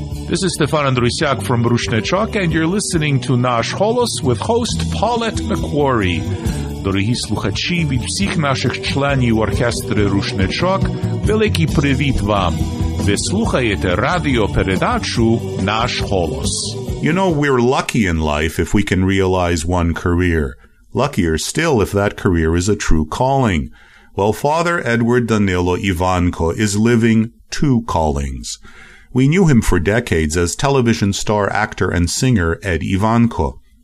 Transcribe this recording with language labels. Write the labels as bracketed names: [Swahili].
[English] This is Stefan Andrusiak from Rushnechok, and you're listening to Nash Holos with host Paulette McQuarrie. [Ukrainian] Дорогі слухачі, від всіх наших членів оркестри Рушнечок, великий привіт вам! Ви слухаєте радіопередачу «Наш голос». [English] You know, we're lucky in life if we can realize one career. Luckier still if that career is a true calling. Well, Father Edward Danilo Ivanko is living two callings. We knew him for decades as television star, actor, and singer Ed Ivanko.